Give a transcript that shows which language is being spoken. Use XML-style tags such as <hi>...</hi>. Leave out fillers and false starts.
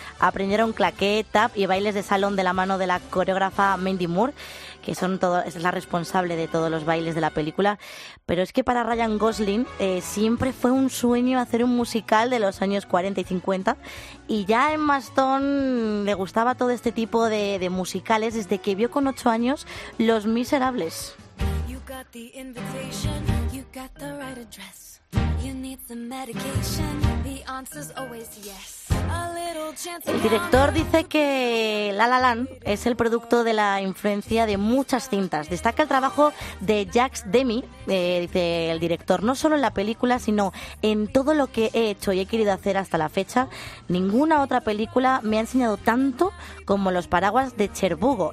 <es>Aprendieron claqué, tap y bailes de salón de la mano de la coreógrafa Mandy Moore, que es la responsable de todos los bailes de la película. Pero es que para Ryan Gosling siempre fue un sueño hacer un musical de los años 40 y 50. Y ya a Emma Stone le gustaba todo este tipo de musicales desde que vio con 8 años Los Miserables.</es> <en>Got the invitation, you got the right address. You need the medication, the answer's always yes.</en> <es>El director dice que La La Land es el producto de la influencia de muchas cintas. Destaca el trabajo de Jacques Demy, dice el director, no solo en la película, sino en todo lo que he hecho y he querido hacer hasta la fecha. Ninguna otra película me ha enseñado tanto como Los Paraguas de Cherbourg.</es>